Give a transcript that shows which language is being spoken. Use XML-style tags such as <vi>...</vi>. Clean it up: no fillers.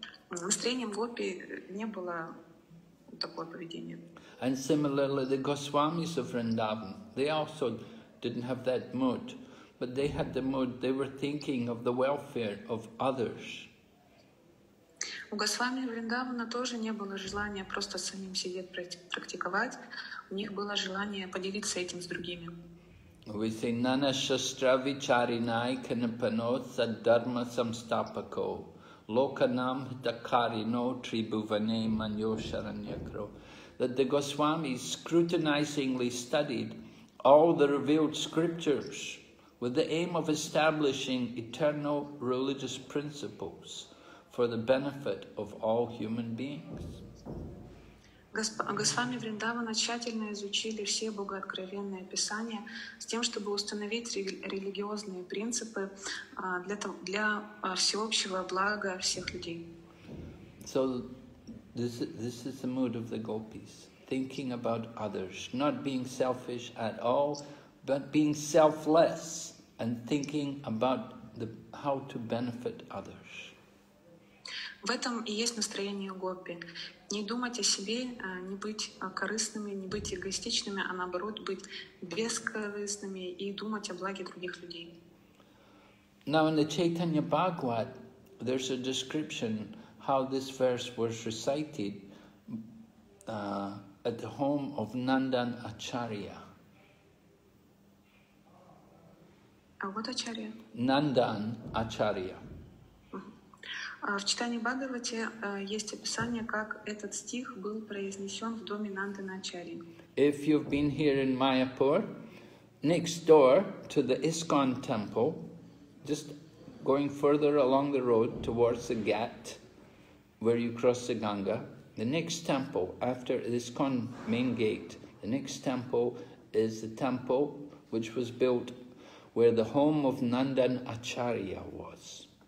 <ru>Настроением гопи не было такое поведение.</ru> <en>And similarly, the Goswamis of Vrindavan, they also didn't have that mood. But they had the mood, they were thinking of the welfare of others.</en> <ru>У Госвами Вриндавана тоже не было желания просто самим сидеть практиковать. У них было желание поделиться этим с другими.</ru> <en>We say</en> <sa>Nana Shastra Vicharinai Kanapano Saddharma Samstapako Lokanam Dakarino Tribhuvane Manyo Sharanyakro.</sa> <en>That the Goswamis scrutinizingly studied all the revealed scriptures with the aim of establishing eternal religious principles for the benefit of all human beings.</en> <ru>Госвами Вриндавана тщательно изучили все богооткровенные писания с тем, чтобы установить религиозные принципы для всеобщего блага всех людей.</ru> <en>So this is the mood of the gopis, thinking about others, not being selfish at all, but being selfless and thinking about how to benefit others.</en> <ru>В этом и есть настроение гопи. Не думать о себе, не быть корыстными, не быть эгоистичными, а наоборот быть бескорыстными и думать о благе других людей.</ru> <en>Now in the Chaitanya Bhagavat, there's a description how this verse was recited at the home of Nandan Acharya. What Acharya? Nandan Acharya.</en> <ru>В читании Бхагавате есть описание, как этот стих был произнесен в доме Нандана Ачарьи.</ru> <en>If you've been here in Mayapur, next door to the ISKCON temple, just going further along the road towards the Ghat, where you cross the Ganga, the next temple after ISKCON main gate, the next temple is the temple which was built where the home of Nandan Acharya was.</en>